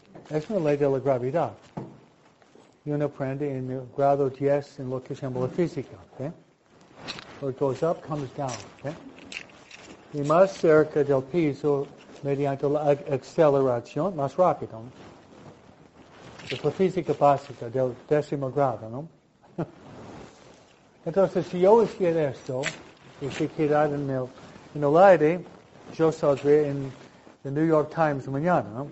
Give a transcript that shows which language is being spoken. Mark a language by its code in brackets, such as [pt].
[es] Es una ley de la gravedad. Y uno aprende en el grado 10 en lo que se llama la física, okay? [en] What goes up comes down, okay? [es] Y más cerca del piso, mediante la aceleración, más rápido, ¿no? Es la física básica del décimo grado, ¿no? Entonces, si yo hiciera esto, y si quedara en el aire, yo saldría en el New York Times mañana, ¿no?